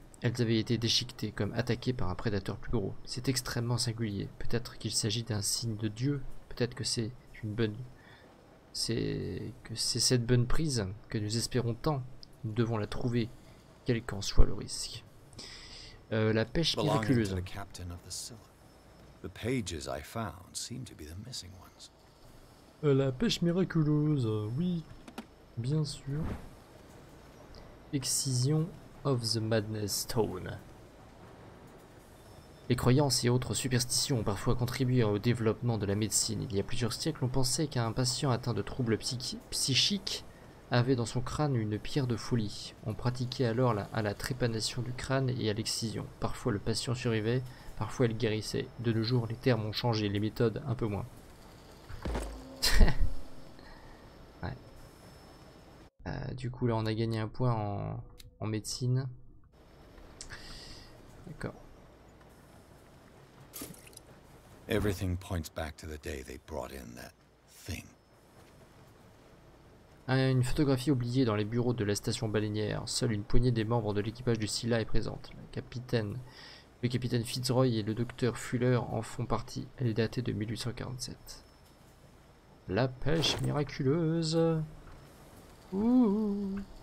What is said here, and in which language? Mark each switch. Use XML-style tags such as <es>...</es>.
<fr>Elles avaient été déchiquetées, comme attaquées par un prédateur plus gros. C'est extrêmement singulier. Peut-être qu'il s'agit d'un signe de Dieu. Peut-être que c'est une bonne... C'est cette bonne prise que nous espérons tant. Nous devons la trouver, quel qu'en soit le risque. La pêche miraculeuse.</fr> <en>The captain of the Silla. The pages I found seem to be the missing ones.</en> <fr>La pêche miraculeuse, oui, bien sûr.</fr> <en>Excision of the Madness Stone.</en> <fr>Les croyances et autres superstitions ont parfois contribué au développement de la médecine. Il y a plusieurs siècles, on pensait qu'un patient atteint de troubles psychiques avait dans son crâne une pierre de folie. On pratiquait alors à la trépanation du crâne et à l'excision. Parfois le patient survivait, parfois il guérissait. De nos jours, les termes ont changé, les méthodes un peu moins. Ouais. Du coup, là, on a gagné un point en médecine. D'accord.</fr> <en>Everything points back to the day they brought in that thing.</en> <fr>Une photographie oubliée dans les bureaux de la station baleinière. Seule une poignée des membres de l'équipage du Silla est présente. Le capitaine Fitzroy et le docteur Fuller en font partie. Elle est datée de 1847. La pêche miraculeuse. Ouh.</fr>